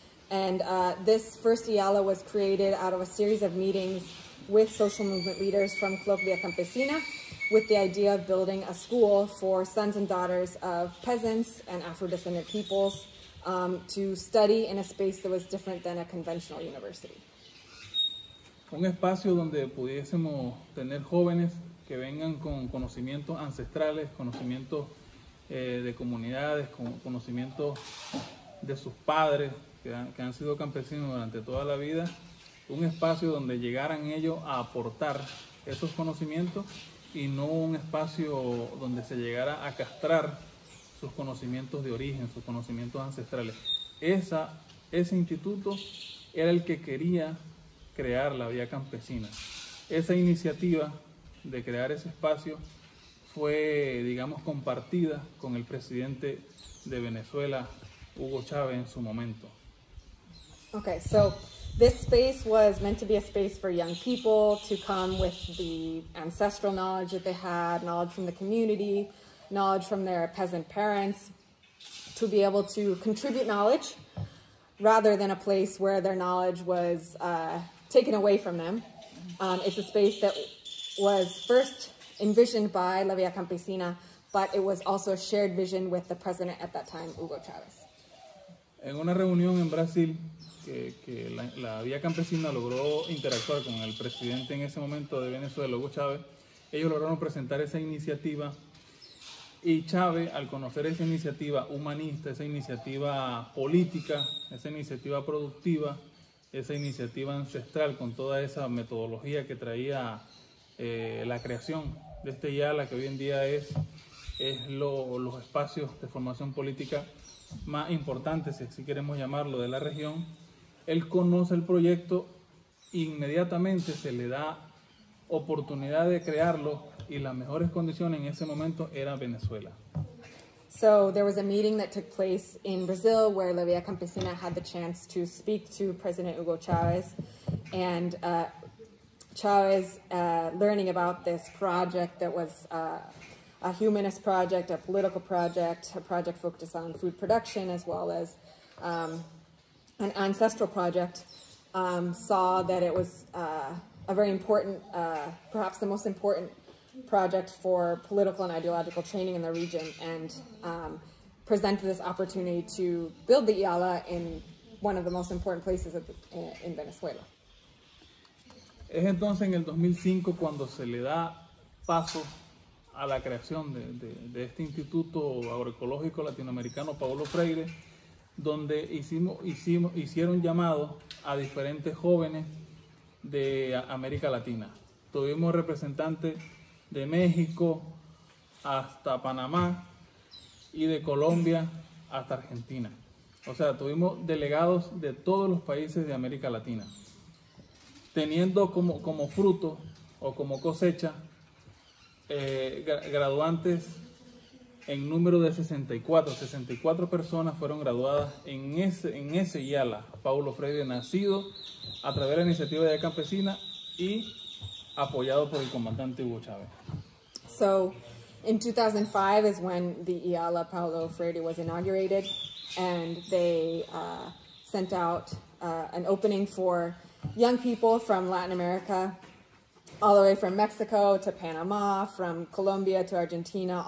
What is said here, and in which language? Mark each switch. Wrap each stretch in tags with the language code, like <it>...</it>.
<en>And this first IALA was created out of a series of meetings with social movement leaders from Club Via Campesina, with the idea of building a school for sons and daughters of peasants and Afro-descended peoples to study in a space that was different than a conventional university.</en> <es>Un espacio donde pudiésemos tener jóvenes que vengan con conocimientos ancestrales, conocimientos de comunidades, con conocimientos de sus padres que han sido campesinos durante toda la vida. Un espacio donde llegaran ellos a aportar esos conocimientos y no un espacio donde se llegara a castrar sus conocimientos de origen, sus conocimientos ancestrales. Ese instituto era el que quería crear la Vía Campesina. Esa iniciativa de crear ese espacio fue, digamos, compartida con el presidente de Venezuela, Hugo Chávez, en su momento.</es> <en>Okay, so this space was meant to be a space for young people to come with the ancestral knowledge that they had, knowledge from the community, knowledge from their peasant parents, to be able to contribute knowledge rather than a place where their knowledge was taken away from them. It's a space that was first envisioned by La Vía Campesina, but it was also a shared vision with the president at that time, Hugo Chávez.</en> <es>En una reunión en Brasil, que la Vía Campesina logró interactuar con el presidente en ese momento de Venezuela, Hugo Chávez, ellos lograron presentar esa iniciativa y Chávez, al conocer esa iniciativa humanista, esa iniciativa política, esa iniciativa productiva, esa iniciativa ancestral con toda esa metodología que traía la creación de este IALA, que hoy en día es los espacios de formación política más importantes, si queremos llamarlo, de la región. Él conoce el proyecto, inmediatamente se le da oportunidad de crearlo y las mejores condiciones en ese momento era Venezuela.</es> <en>So there was a meeting that took place in Brazil where La Vía Campesina had the chance to speak to President Hugo Chávez, and Chávez, learning about this project that was a humanist project, a political project, a project focused on food production as well as an ancestral project, saw that it was a very important, perhaps the most important project for political and ideological training in the region, and presented this opportunity to build the IALA in one of the most important places in Venezuela.</en> <es>Es entonces en el 2005 cuando se le da paso a la creación de este Instituto Agroecológico Latinoamericano Paulo Freire, donde hicieron llamado a diferentes jóvenes de América Latina. Tuvimos representantes de México hasta Panamá y de Colombia hasta Argentina. O sea, tuvimos delegados de todos los países de América Latina, teniendo como fruto o como cosecha graduantes en número de 64. 64 personas fueron graduadas en ese IALA, Paulo Freire, nacido a través de la iniciativa de Campesina y apoyado por el comandante Hugo Chávez.</es> <en>So, in 2005 is when the IALA Paulo Freire was inaugurated, and they sent out an opening for young people from Latin America, all the way from Mexico to Panama, from Colombia to Argentina.</en>